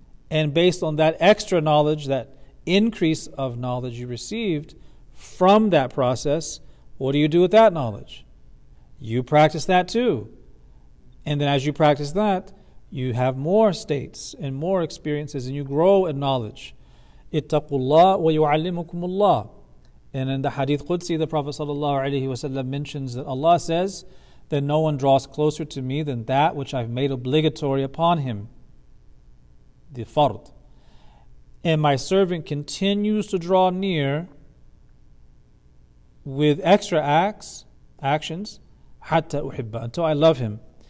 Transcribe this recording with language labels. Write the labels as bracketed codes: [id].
[en] And based on that extra knowledge, that increase of knowledge you received from that process, what do you do with that knowledge? You practice that too. And then as you practice that, you have more states and more experiences, and you grow in knowledge. [ar] اتقوا الله ويعلمكم الله. [en] And in the Hadith Qudsi, the Prophet sallallahu alaihi wasallam mentions that Allah says that no one draws closer to me than that which I've made obligatory upon him, the fard. And my servant continues to draw near with extra actions, [ar] hatta uhibba, [en] until I love him.